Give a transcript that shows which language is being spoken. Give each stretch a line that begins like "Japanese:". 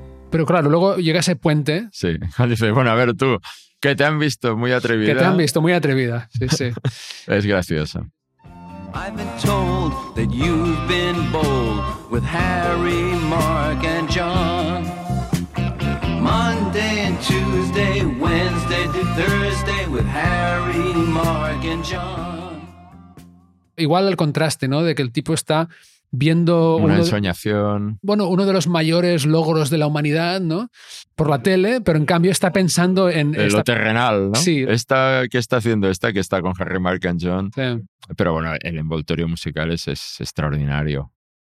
Spanish: Pero claro, luego llega ese puente. Sí, dice, bueno, a ver tú, que te han visto muy atrevida. Que te han visto muy atrevida, sí, sí. Es gracioso.
English: I've been told that you've been bold with Harry, Mark, and John. Monday and Tuesday, Wednesday to Thursday with Harry, Mark, and John.
Spanish: Igual el contraste, ¿no? De que el tipo está viendo... Una ensoñación. Uno de los mayores logros de la humanidad, ¿no? Por la tele, pero en cambio está pensando en... Lo terrenal, ¿no? Sí. Esta que está haciendo esta, que está con Harry, Mark and John. Sí. Pero bueno, el envoltorio musical es extraordinario.